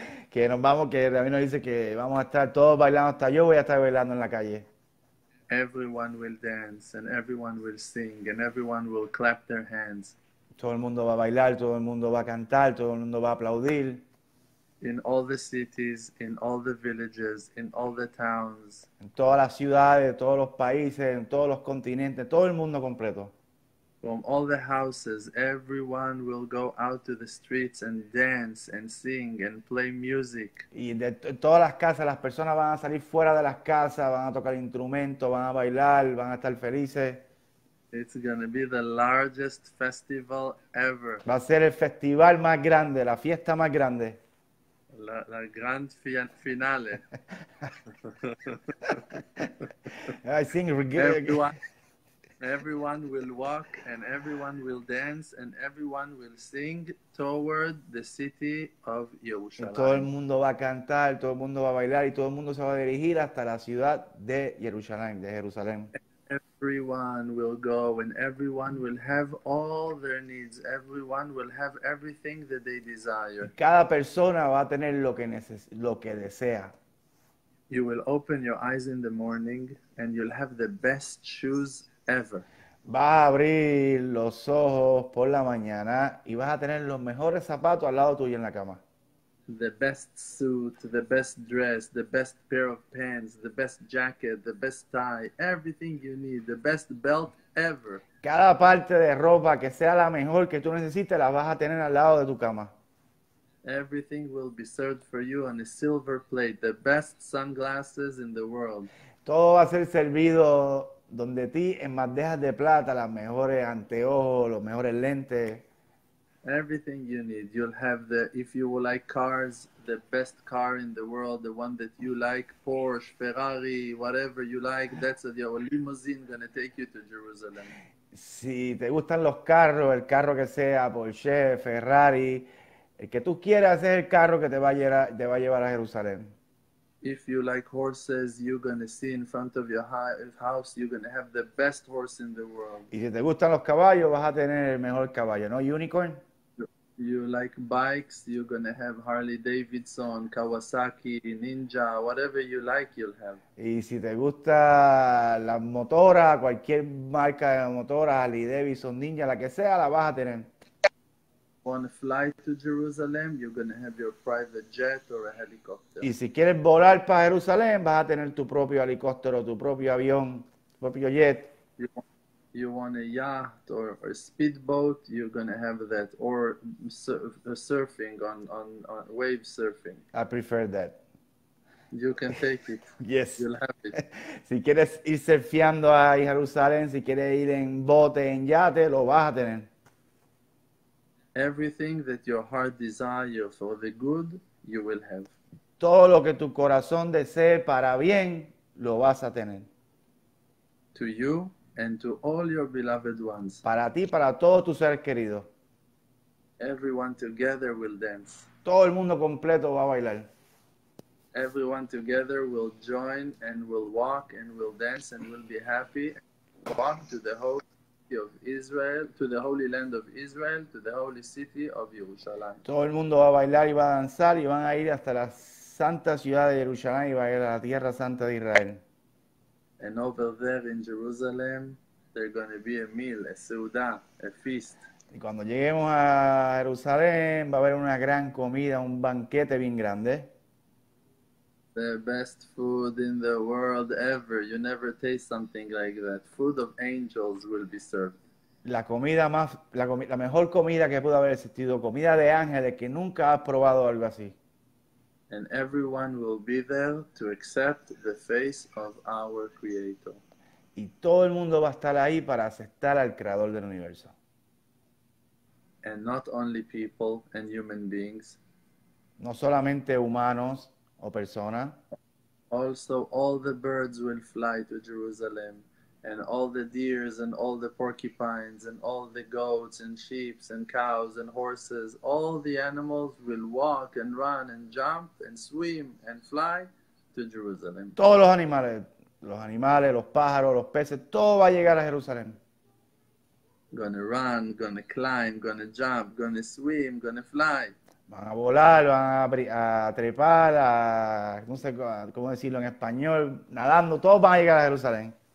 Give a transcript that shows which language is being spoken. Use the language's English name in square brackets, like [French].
[Spanish] Que nos vamos, que Rabino nos dice que vamos a estar todos bailando, hasta yo voy a estar bailando en la calle. [English] Everyone will dance and everyone will sing and everyone will clap their hands. [Spanish] Todo el mundo va a bailar, todo el mundo va a cantar, todo el mundo va a aplaudir. [English] In all the cities, in all the villages, in all the towns. [Spanish] En todas las ciudades, todos los países, en todos los continentes, todo el mundo completo. [English] From all the houses, everyone will go out to the streets and dance and sing and play music. [Spanish] Y de todas las casas, las personas van a salir fuera de las casas, van a tocar instrumentos, van a bailar, van a estar felices. [English] It's going to be the largest festival ever. [Spanish] Va a ser el festival más grande, la fiesta más grande. La gran finale. [English] I think we're good. Everyone will walk and everyone will dance and everyone will sing toward the city of Jerusalem. [Spanish] Todo el mundo va a cantar, todo el mundo va a bailar y todo el mundo se va a dirigir hasta la ciudad de Jerusalén, de Jerusalén. [English] Everyone will go and everyone will have all their needs. Everyone will have everything that they desire. [Spanish] Y cada persona va a tener lo que desea. [English] You will open your eyes in the morning and you'll have the best shoes ever. [Spanish] Va a abrir los ojos por la mañana y vas a tener los mejores zapatos al lado tuyo en la cama. [English] The best suit, the best dress, the best pair of pants, the best jacket, the best tie, everything you need, the best belt ever. [Spanish] Cada parte de ropa que sea la mejor que tú necesites la vas a tener al lado de tu cama. [English] Everything will be served for you on a silver plate, the best sunglasses in the world. [Spanish] Todo va a ser servido donde ti en bandejas de plata, las mejores anteojos, los mejores lentes. [English] Everything you need, you'll have the, if you will like cars, the best car in the world, the one that you like, Porsche, Ferrari, whatever you like, that's your limousine going to take you to Jerusalem. [Spanish] Si te gustan los carros, el carro que sea, Porsche, Ferrari, el que tú quieras es el carro que te va a llevar a Jerusalén. [English] If you like horses, you're going to see in front of your house, you're going to have the best horse in the world. [Spanish] Y si te gustan los caballos, vas a tener el mejor caballo, ¿no? [English] Unicorn. You like bikes, you're going to have Harley Davidson, Kawasaki, Ninja, whatever you like, you'll have. [Spanish] Y si te gusta la motora, cualquier marca de motora, Harley Davidson, Ninja, la que sea, la vas a tener. [English] Want to fly to Jerusalem, you're going to have your private jet or a helicopter. [Spanish] Y si quieres volar para Jerusalén, vas a tener tu propio helicóptero, tu propio avión, tu propio jet. [English] You want a yacht or a speedboat, you're going to have that. Or surfing, on wave surfing. I prefer that. You can take it. Yes. You'll have it. [Spanish] Si quieres ir surfeando a Jerusalén, si quieres ir en bote, en yate, lo vas a tener. [English] Everything that your heart desires for the good, you will have. [Spanish] Todo lo que tu corazón desee para bien, lo vas a tener. [English] To you and to all your beloved ones. [Spanish] Para ti, para todos tus seres queridos. [English] Everyone together will dance. [Spanish] Todo el mundo completo va a bailar. [English] Everyone together will join and will walk and will dance and will be happy. Walk to the host. Of Israel, to the holy land of Israel, to the holy city of Jerusalem. [Spanish] Todo el mundo va a bailar y va a danzar y van a ir hasta la santa ciudad de Jerusalén y vaya a la tierra santa de Israel. [English] And over there in Jerusalem, there's going to be a meal, a seudá, a feast. [Spanish] Y cuando lleguemos a Jerusalén, va a haber una gran comida, un banquete bien grande. [English] The best food in the world ever. You never taste something like that. Food of angels will be served. [Spanish] La comida más, la mejor comida que pudo haber existido, comida de ángeles, que nunca has probado algo así. [English] And everyone will be there to accept the face of our Creator. [Spanish] Y todo el mundo va a estar ahí para aceptar al Creador del Universo. [English] And not only people and human beings. [Spanish] No solamente humanos o personas. [English] Also all the birds will fly to Jerusalem. And all the deers and all the porcupines and all the goats and sheep and cows and horses, all the animals will walk and run and jump and swim and fly to Jerusalem. [Spanish] Todos los animales, los pájaros, los peces, todo va a llegar a Jerusalén. [English] Gonna run, gonna climb, gonna jump, gonna swim, gonna fly. [Spanish] Van a volar, van a trepar, a no sé cómo decirlo en español, nadando, todos van a llegar a Jerusalén.